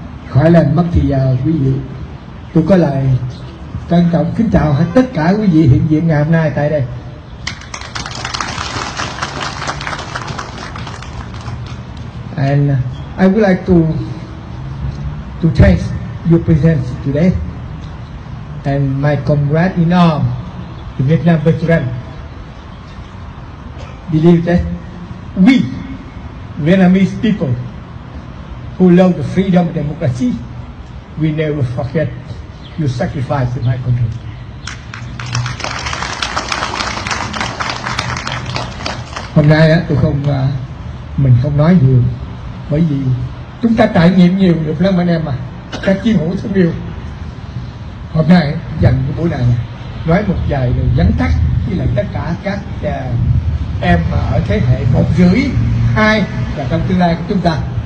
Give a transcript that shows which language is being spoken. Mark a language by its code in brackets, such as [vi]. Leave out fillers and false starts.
[vi] khỏi lên mất thì giờ quý vị. Tôi có lời trân trọng kính chào hết tất cả quý vị hiện diện ngày hôm nay tại đây. [en] And I would like to thank your presence today and my comrade in arm, the Vietnam veteran. Believe that we Vietnamese people who love the freedom and democracy, we never forget your sacrifice in my country. [vi] Hôm nay tôi không mình không nói nhiều, bởi vì chúng ta trải nghiệm nhiều được lắm anh em à, ta chiến hữu thân yêu. Hôm nay dành cái buổi này nói một vài lời vắn tắt với lại tất cả các em ở thế hệ 1.5, 2 và trong tương lai của chúng ta.